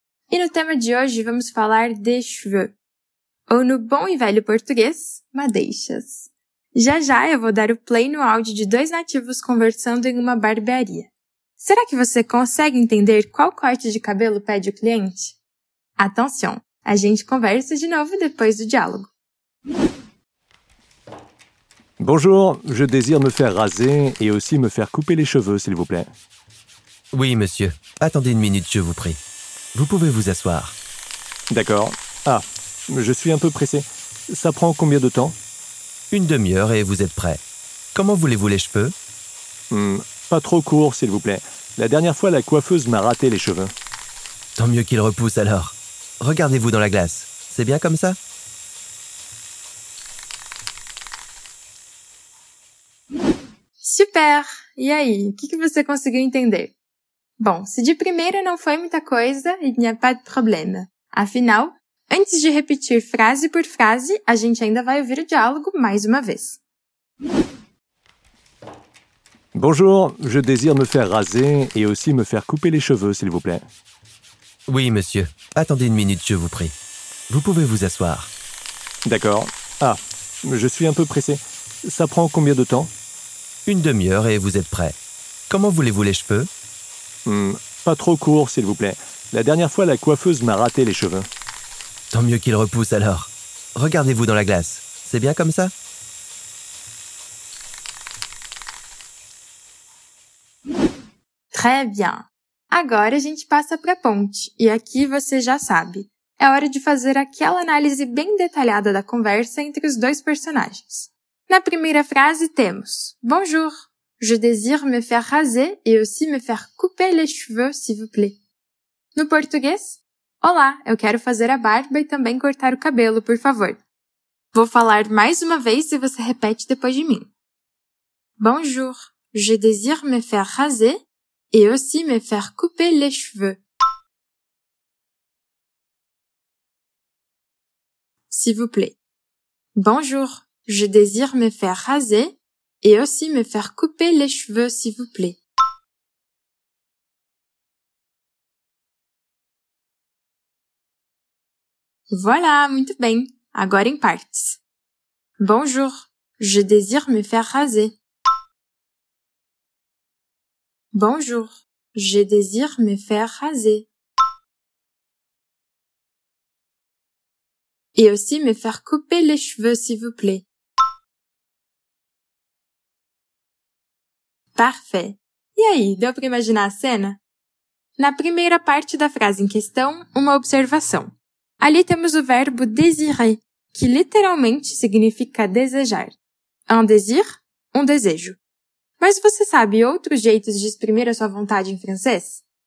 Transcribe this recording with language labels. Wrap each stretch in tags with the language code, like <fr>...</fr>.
<pt>E no tema de hoje, vamos falar de cheveux. Ou no bom e velho português, madeixas. Já, eu vou dar o play no áudio de dois nativos conversando em uma barbearia. Será que você consegue entender qual corte de cabelo pede o cliente? Attention, a gente conversa de novo depois do diálogo.</pt> <fr>Bonjour, je désire me faire raser et aussi me faire couper les cheveux, s'il vous plaît. Oui, monsieur. Attendez une minute, je vous prie. Vous pouvez vous asseoir. D'accord. Ah, je suis un peu pressé. Ça prend combien de temps? Une demi-heure et vous êtes prêt. Comment voulez-vous les cheveux? Pas trop court, s'il vous plaît. La dernière fois, la coiffeuse m'a raté les cheveux. Tant mieux qu'il repousse alors. Regardez-vous dans la glace. C'est bien comme ça? Super!</fr> <pt>E aí, o que você conseguiu entender? Bom, se de primeira não foi muita coisa,</pt> <fr>il n'y a pas de problème.</fr> <pt>Afinal, antes de repetir frase por frase, a gente ainda vai ouvir o diálogo mais uma vez.</pt> <fr>Bonjour, je désire me faire raser et aussi me faire couper les cheveux, s'il vous plaît. Oui, monsieur. Attendez une minute, je vous prie. Vous pouvez vous asseoir. D'accord. Ah, je suis un peu pressé. Ça prend combien de temps? Une demi-heure et vous êtes prêt. Comment voulez-vous les cheveux? Pas trop court, s'il vous plaît. La dernière fois, la coiffeuse m'a raté les cheveux. Tant mieux qu'il repousse alors. Regardez-vous dans la glace. C'est bien comme ça? Très bien.</fr> <pt>Agora a gente passa para a ponte. E aqui você já sabe. É hora de fazer aquela análise bem detalhada da conversa entre os dois personagens. Na primeira frase temos: Bonjour.</pt> <fr>Je désire me faire raser et aussi me faire couper les cheveux, s'il vous plaît.</fr> <pt>No português? Olá, eu quero fazer a barba e também cortar o cabelo, por favor. Vou falar mais uma vez e você repete depois de mim.</pt> <fr>Bonjour, je désire me faire raser et aussi me faire couper les cheveux. S'il vous plaît. Bonjour, je désire me faire raser et aussi me faire couper les cheveux, s'il vous plaît. Voilà,</fr> <pt>muito bem. Agora em partes.</pt> <fr>Bonjour, je désire me faire raser. Bonjour, je désire me faire raser. et aussi me faire couper les cheveux, s'il vous plaît. Parfait.</fr> <pt>E aí, deu para imaginar a cena? Na primeira parte da frase em questão, uma observação. Ali temos o verbo désirer, que literalmente significa desejar.</pt> <fr>Un désir,</fr> <pt>um desejo. Mas você sabe outros jeitos de exprimir a sua vontade em francês?</pt>